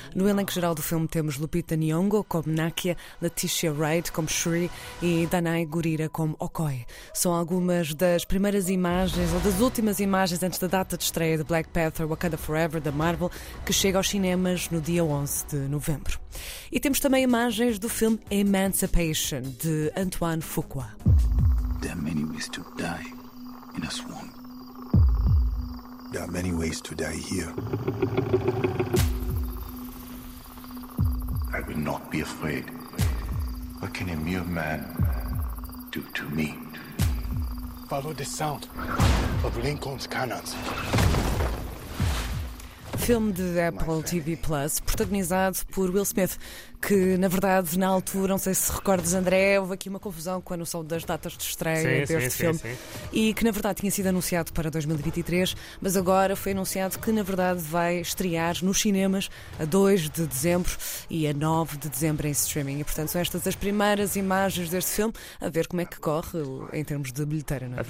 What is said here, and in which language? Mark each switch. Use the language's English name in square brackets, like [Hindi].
[Portuguese] No elenco geral do filme temos Lupita Nyong'o como Nakia, Letitia Wright como Shuri e Danai Gurira como Okoye. São algumas das primeiras imagens ou das últimas imagens antes da data de estreia de Black Panther Wakanda Forever da Marvel, que chega aos cinemas no dia 11 de novembro. E temos também imagens do filme Emancipation, de Antoine Fuqua. [English] There are many ways to die in a swamp. There are many ways to die here. I will not be afraid. What can a mere man do to me? Follow the sound of Lincoln's cannons. [Portuguese] Filme de Apple TV Plus, protagonizado por Will Smith, que na verdade na altura, não sei se recordas, André, houve aqui uma confusão com a noção das datas de estreia deste filme. E que na verdade tinha sido anunciado para 2023, mas agora foi anunciado que na verdade vai estrear nos cinemas a 2 de dezembro e a 9 de dezembro em streaming. E portanto são estas as primeiras imagens deste filme, a ver como é que corre em termos de bilheteira, não é?